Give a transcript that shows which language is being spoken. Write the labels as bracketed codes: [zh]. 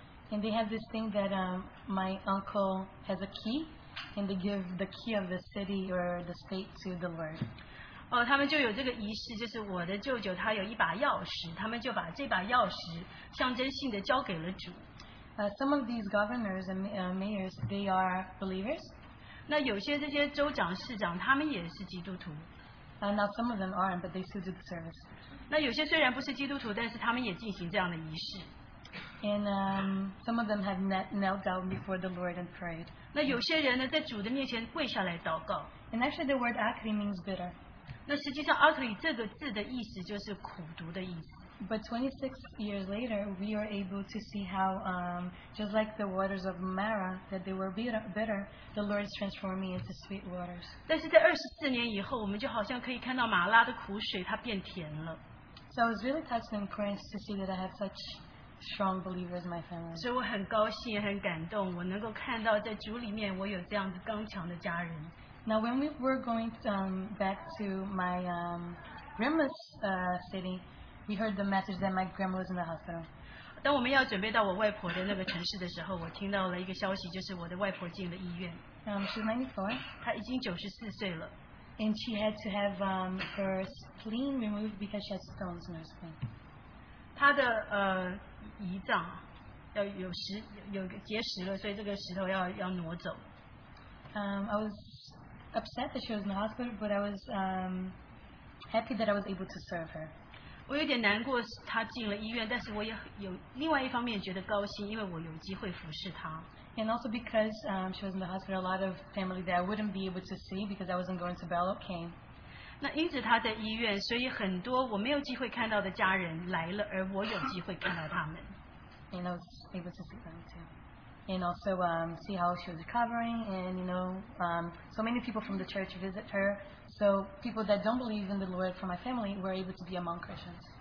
[en] And they have this thing that my uncle has a key, and they give the key of the city or the state to the Lord. [zh] 他们就有这个仪式，就是我的舅舅他有一把钥匙，他们就把这把钥匙象征性的交给了主。 [en] Some of these governors and mayors, they are believers. [zh] 那有些这些州长、市长，他们也是基督徒。 [en] Now some of them aren't, but they still do the service. [zh] 那有些虽然不是基督徒，但是他们也进行这样的仪式。 [en] And some of them have knelt down before the Lord and prayed. [zh] 那有些人呢，在主的面前跪下来祷告。 [en] And actually, the word Acre means bitter. [zh] 那实际上 Acre 这个字的意思就是苦毒的意思。 [en] But 26 years later, we are able to see how, just like the waters of Marah, that they were bitter, the Lord is transforming into sweet waters. [zh] 但是在24年以后，我们就好像可以看到马拉的苦水，它变甜了。 [en] So I was really touched and encouraged to see that I have such strong believers in my family. [zh] 所以我很高兴，也很感动，我能够看到在主里面，我有这样子刚强的家人。 [en] Now when we were going back to my grandma's city, we heard the message that my grandma was in the hospital. [zh] 当我们要准备到我外婆的那个城市的时候，我听到了一个消息，就是我的外婆进了医院。 [en] She's 94. [zh] 她已经94岁了。 [en] And she had to have her spleen removed because she had stones in her spleen. [zh] 她的, 胰脏, 有结石了, 所以这个石头 要挪走。 [en] I was upset that she was in the hospital, but I was happy that I was able to serve her. [zh] 我有点难过她进了医院, 但是我也有另外一方面觉得高兴, 因为我有机会服侍她。 [en] And also because she was in the hospital, a lot of family that I wouldn't be able to see because I wasn't going to Belle came. [zh] 那因此她在医院, 所以很多我没有机会看到的家人来了, 而我有机会看到他们。 [en] And I was able to see them too. And also see how she was recovering, and you know, so many people from the church visit her. So people that don't believe in the Lord from my family were able to be among Christians.